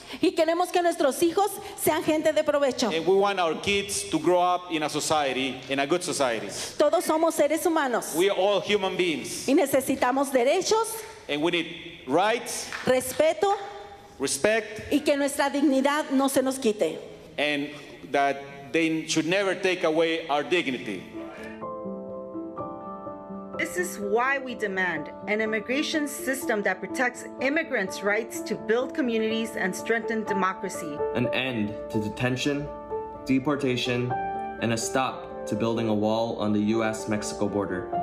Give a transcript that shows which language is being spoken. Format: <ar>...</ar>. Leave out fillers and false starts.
<es>Y queremos que nuestros hijos sean gente de provecho.</es> <en>And we want our kids to grow up in a society, in a good society.</en> <es>Todos somos seres humanos.</es> <en>We are all human beings.</en> <es>Y necesitamos derechos.</es> <en>And we need rights.</en> <es>Respeto.</es> <en>Respect.</en> <es>Y que nuestra dignidad no se nos quite.</es> <en>And that they should never take away our dignity. This is why we demand an immigration system that protects immigrants' rights to build communities and strengthen democracy. An end to detention, deportation, and a stop to building a wall on the U.S.-Mexico border.</en>